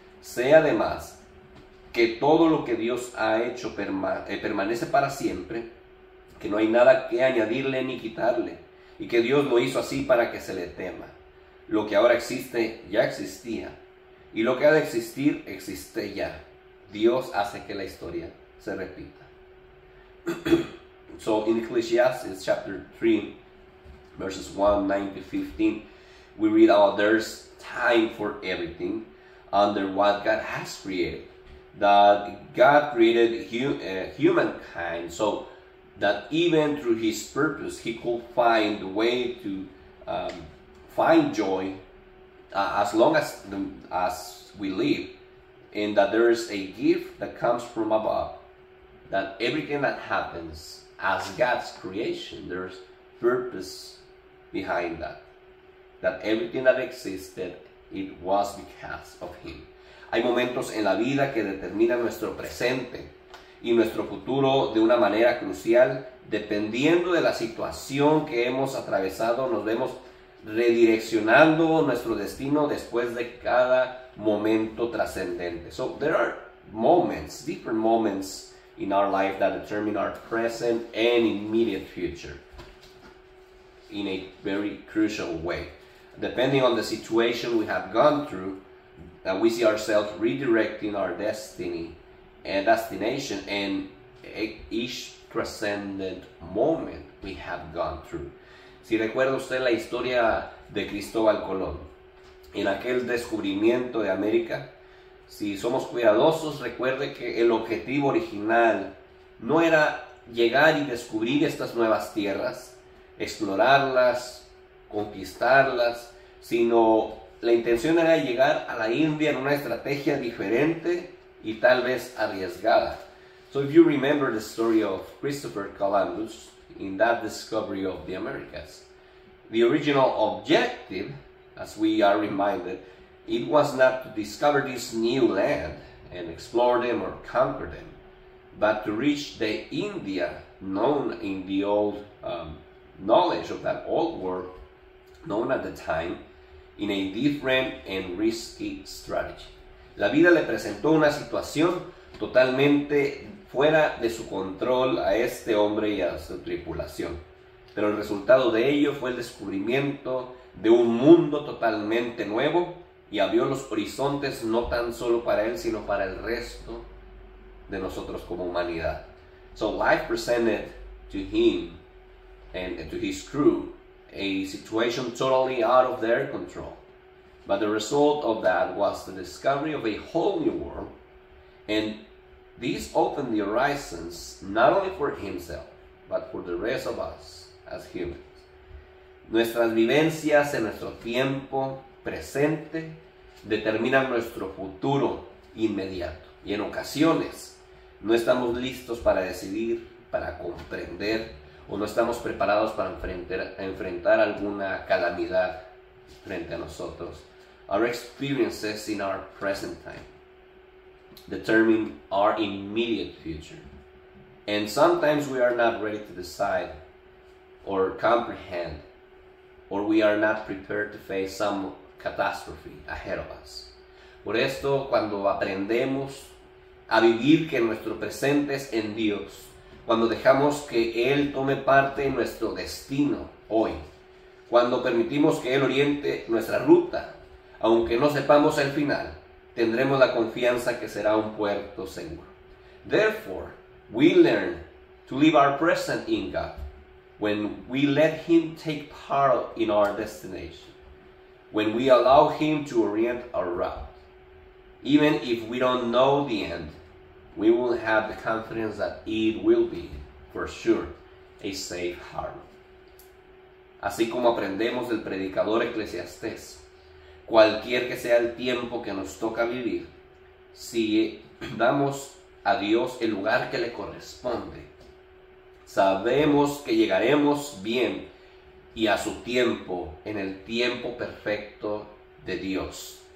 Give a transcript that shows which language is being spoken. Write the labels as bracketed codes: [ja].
[es] Sé además que todo lo que Dios ha hecho permanece para siempre, que no hay nada que añadirle ni quitarle, y que Dios lo hizo así para que se le tema. Lo que ahora existe, ya existía, y lo que ha de existir, existe ya. Dios hace que la historia se repita. [en] So, in Ecclesiastes chapter 3, verses 1, 9 to 15, we read how there's time for everything under what God has created. That God created humankind so that even through His purpose, He could find a way to find joy as long as we live. And that there is a gift that comes from above. That everything that happens as God's creation, there's purpose behind that. That everything that existed, it was because of Him. [es] Hay momentos en la vida que determinan nuestro presente y nuestro futuro de una manera crucial. Dependiendo de la situación que hemos atravesado, nos vemos redireccionando nuestro destino después de cada momento trascendente. [en] So there are moments, different moments in our life that determine our present and immediate future in a very crucial way. Depending on the situation we have gone through, we see ourselves redirecting our destiny and destination in each transcendent moment we have gone through. [es] Si recuerda usted la historia de Cristóbal Colón, en aquel descubrimiento de América, si somos cuidadosos, recuerde que el objetivo original no era llegar y descubrir estas nuevas tierras, explorarlas, conquistarlas, sino la intención era llegar a la India en una estrategia diferente y tal vez arriesgada. [en] So if you remember the story of Christopher Columbus in that discovery of the Americas, the original objective, as we are reminded, it was not to discover this new land and explore them or conquer them, but to reach the India known in the old knowledge of that old world, known at the time, in a different and risky strategy. [es] La vida le presentó una situación totalmente fuera de su control a este hombre y a su tripulación. Pero el resultado de ello fue el descubrimiento de un mundo totalmente nuevo y abrió los horizontes no tan solo para él, sino para el resto de nosotros como humanidad. [en] So life presented to him and to his crew a situation totally out of their control. But the result of that was the discovery of a whole new world, and this opened the horizons not only for himself, but for the rest of us as humans. [es] Nuestras vivencias en nuestro tiempo presente determinan nuestro futuro inmediato. Y en ocasiones no estamos listos para decidir, para comprender, o no estamos preparados para enfrentar alguna calamidad frente a nosotros. [en] Our experiences in our present time determine our immediate future. And sometimes we are not ready to decide or comprehend, or we are not prepared to face some catastrophe ahead of us. [es] Por esto, cuando aprendemos a vivir que nuestro presente es en Dios, cuando dejamos que Él tome parte en nuestro destino hoy, cuando permitimos que Él oriente nuestra ruta, aunque no sepamos el final, tendremos la confianza que será un puerto seguro. [en] Therefore, we learn to live our present in God when we let Him take part in our destination, when we allow Him to orient our route. Even if we don't know the end, we will have the confidence that it will be, for sure, a safe harbor. [es] Así como aprendemos del predicador Eclesiastés, cualquier que sea el tiempo que nos toca vivir, si damos a Dios el lugar que le corresponde, sabemos que llegaremos bien y a su tiempo, en el tiempo perfecto de Dios.